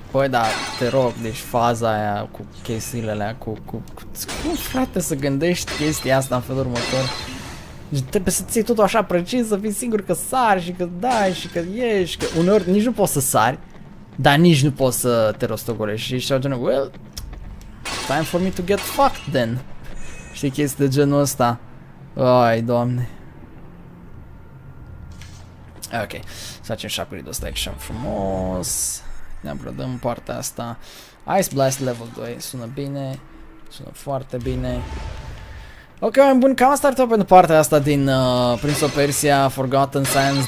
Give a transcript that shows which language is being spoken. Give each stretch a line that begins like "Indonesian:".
Romanian: Băi, da, te rog, deci faza aia cu chestiile alea, cum frate să gândești chestia asta în felul următor? Deci trebuie să ții totul așa precis, să fii singur că sari și că dai și că ieși, că uneori nici nu poți să sari, dar nici nu poți să te rostogolești. Și ești,
English: well, time for me to get fucked then.
Romanian: Știi, chestii de genul ăsta. Ai, doamne. Ok, să facem șapurii de ăsta action frumos. Ne aprodăm partea asta. Ice Blast level 2, sună bine. Sună foarte bine. Ok, mai bun, cam asta ar trebui pentru partea asta din Prince of Persia Forgotten Sands.